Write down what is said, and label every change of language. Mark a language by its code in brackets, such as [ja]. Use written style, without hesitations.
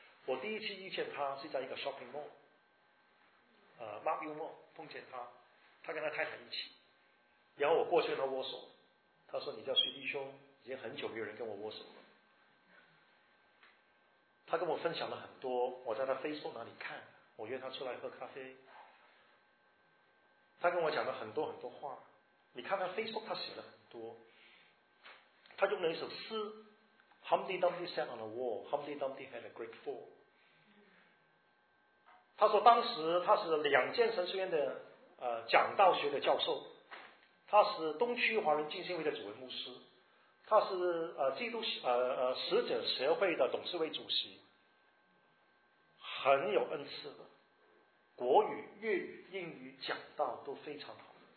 [zh] 我第一次遇见他是在一个 shopping mall。Mark Umo 碰见他，他跟他太太一起，然后我过去跟他握手，他说你叫徐弟兄，已经很久没有人跟我握手了。他跟我分享了很多，我在他 Facebook 那里看，我约他出来喝咖啡，他跟我讲了很多很多话。你看他 Facebook 他写了很多，他用了一首诗 [en] Humpty Dumpty sat on a wall, Humpty Dumpty had a great fall。 [zh] 他说当时他是两间神学院的讲道学的教授，他是东区华人浸信会的主任牧师，他是基督使者协会的董事会主席，很有恩赐的，国语粤语英语讲道都非常好。